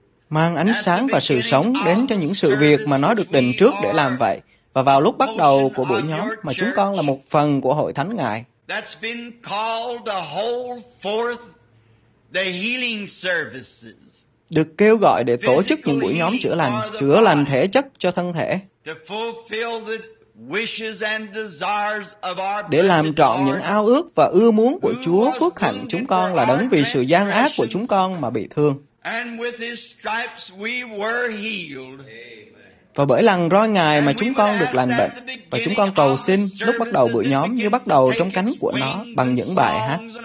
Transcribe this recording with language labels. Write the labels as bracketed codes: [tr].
[vi] Mang ánh sáng và sự sống đến cho những sự việc mà nó được định trước để làm vậy. Và vào lúc bắt đầu của buổi nhóm mà chúng con là một phần của Hội Thánh Ngài, [en] that's been called to hold forth the healing services. [vi] Được kêu gọi để tổ chức những buổi nhóm chữa lành thể chất cho thân thể. [en] To fulfill the wishes and desires of our [vi] để làm trọn những ao ước và ưa muốn của Chúa phước hạnh chúng con là đấng vì sự gian ác của chúng con mà bị thương. [en] And with his stripes we were healed. [vi] Và bởi lằn roi Ngài mà chúng con được lành bệnh, và chúng con cầu xin lúc bắt đầu buổi nhóm như bắt đầu trong cánh của nó bằng những bài hát.